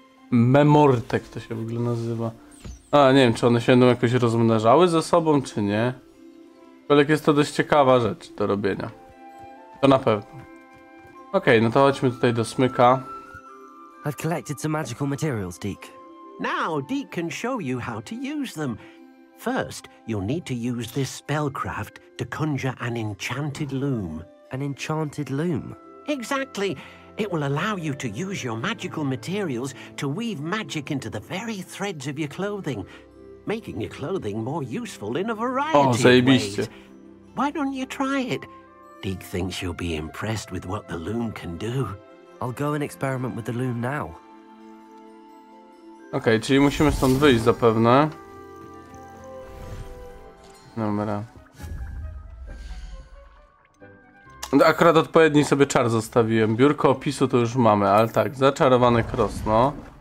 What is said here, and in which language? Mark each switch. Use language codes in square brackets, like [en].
[pl] Memortek to się w ogóle nazywa. A, nie wiem, czy one się będą jakoś rozmnażały ze sobą, czy nie. Ale jest to dość ciekawa rzecz do robienia. To na pewno. Okej, no to chodźmy tutaj do smyka. [en] I've collected some magical materials, Deke. Now Deke can show you how to use them. First, you'll need to use this spellcraft to conjure an enchanted loom. An enchanted loom? Exactly. It will allow you to use your magical materials to weave magic into the very threads of your clothing, making your clothing more useful in a variety of ways. Why don't you try it? Deke thinks you'll be impressed with what the loom can do. I'll go and experiment with the loom now. [pl] Okay, czyli musimy stąd wyjść zapewne. Dobra. Akurat odpowiedni sobie czar zostawiłem. Biurko opisu to już mamy, ale tak, zaczarowane krosno.